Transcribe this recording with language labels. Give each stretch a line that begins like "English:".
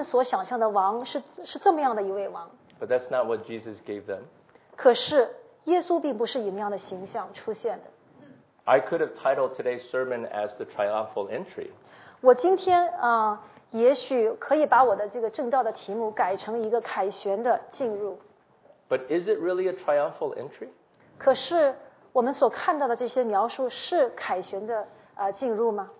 Chinese: 当他们对神献上荣耀和赞美的时候，他们所想象的王是这么样的一位王。But
English: that's not what Jesus gave them.
Chinese: 可是耶稣并不是以那样的形象出现的。I
English: could have titled today's sermon as the triumphal entry.
Chinese: 我今天也许可以把我的这个正道的题目改成一个凯旋的进入。But
English: is it really a triumphal entry?
Chinese: 可是我们所看到的这些描述是凯旋的进入吗?